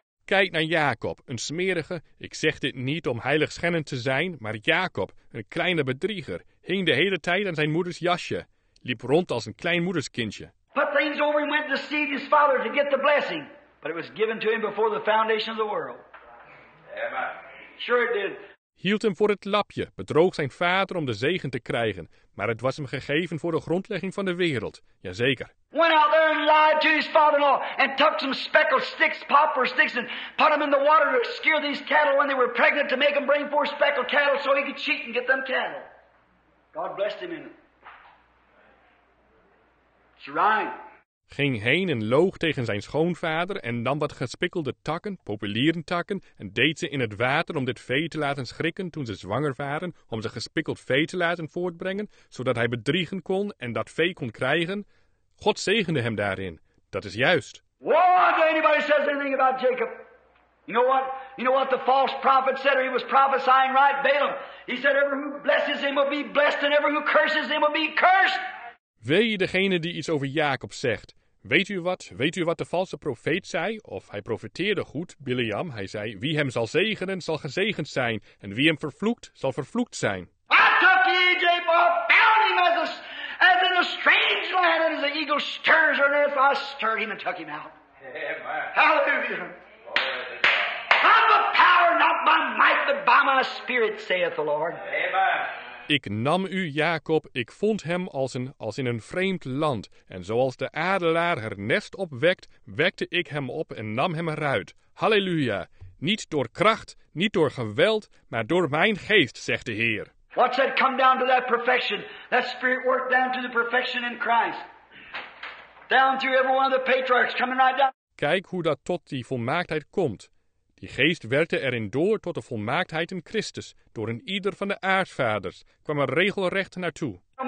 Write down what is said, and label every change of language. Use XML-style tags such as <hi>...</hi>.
<nl>Kijk naar Jacob, een smerige, ik zeg dit niet om heiligschennend te zijn, maar Jacob, een kleine bedrieger, hing de hele tijd aan zijn moeders jasje, liep rond als een klein moederskindje.</nl> <en>Put things over him, went to deceive his father to get the blessing, but it was given to him before the foundation of the world. Sure it did.</en> <nl>Hield hem voor het lapje, bedroog zijn vader om de zegen te krijgen, maar het was hem gegeven voor de grondlegging van de wereld, jazeker.</nl> <en>Went out there and lied to his father-in-law and tucked some speckled sticks, poplar sticks, and put them in the water to scare these cattle when they were pregnant to make them bring forth speckled cattle so he could cheat and get them cattle. God blessed him in it. It's right.</en> <nl>Ging heen en loog tegen zijn schoonvader en nam wat gespikkelde takken, populieren takken, en deed ze in het water om dit vee te laten schrikken toen ze zwanger waren, om ze gespikkeld vee te laten voortbrengen, zodat hij bedriegen kon en dat vee kon krijgen. God zegende hem daarin. Dat is juist.</nl> <en>What if anybody says anything about Jacob? You know what? You know what the false prophet said, or he was prophesying, right? Balaam. He said, "Every who blesses him will be blessed, and every who curses him will be cursed."</en> <nl>Wee je degene die iets over Jacob zegt. Weet u wat? Weet u wat de valse profeet zei? Of hij profeteerde goed, Bileam. Hij zei, wie hem zal zegenen, zal gezegend zijn. En wie hem vervloekt, zal vervloekt zijn.</nl> <en>I took ye, Jacob, bound him as in a strange land, and as the eagle stirs on earth, I stirred him and took him out. Amen. Hallelujah. I'm a power, not by might, but by my spirit, saith the Lord. Amen.</en> <nl>Ik nam u, Jacob, ik vond hem als in een vreemd land. En zoals de adelaar haar nest opwekt, wekte ik hem op en nam hem eruit. Halleluja. Niet door kracht, niet door geweld, maar door mijn geest, zegt de Heer.</nl> <en>What's that come down to that perfection? That spirit worked down to the perfection in Christ. Down through every one of the patriarchs coming right down.</en> <nl>Kijk hoe dat tot die volmaaktheid komt. Die geest werkte erin door tot de volmaaktheid in Christus, door een ieder van de aartsvaders, kwam er regelrecht naartoe.</nl>